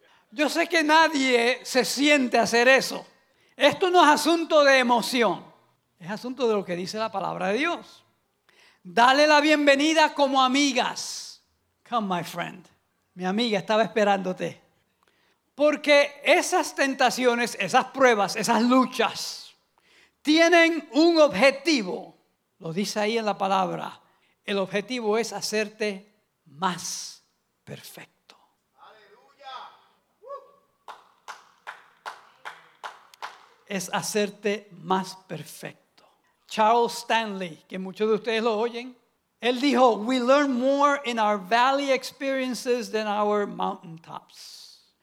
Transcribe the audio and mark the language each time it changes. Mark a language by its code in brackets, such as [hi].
[es] Yo sé que nadie se siente hacer eso. Esto no es asunto de emoción. Es asunto de lo que dice la palabra de Dios. Dale la bienvenida como amigas. [en] Come, my friend. [es] Mi amiga, estaba esperándote. Porque esas tentaciones, esas pruebas, esas luchas, tienen un objetivo. Lo dice ahí en la palabra. El objetivo es hacerte más perfecto. ¡Aleluya! Es hacerte más perfecto. Charles Stanley, que muchos de ustedes lo oyen, él dijo, [en] we learn more in our valley experiences than our mountaintops.